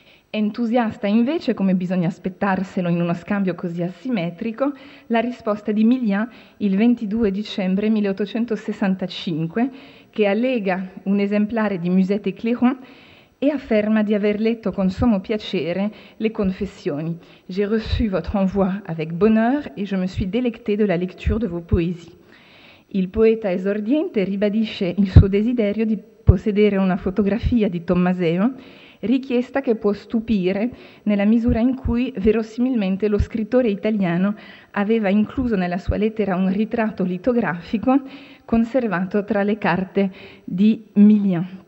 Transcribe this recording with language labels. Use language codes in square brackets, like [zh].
[it] Entusiasta invece, come bisogna aspettarselo in uno scambio così asimmetrico, la risposta di Millien il 22 dicembre 1865, che allega un esemplare di Musettes et Clairons e afferma di aver letto con sommo piacere le confessioni. [fr] J'ai reçu votre envoi avec bonheur et je me suis délecté de la lecture de vos poésies. [it] Il poeta esordiente ribadisce il suo desiderio di possedere una fotografia di Tommaseo, richiesta che può stupire nella misura in cui verosimilmente lo scrittore italiano aveva incluso nella sua lettera un ritratto litografico conservato tra le carte di Millien.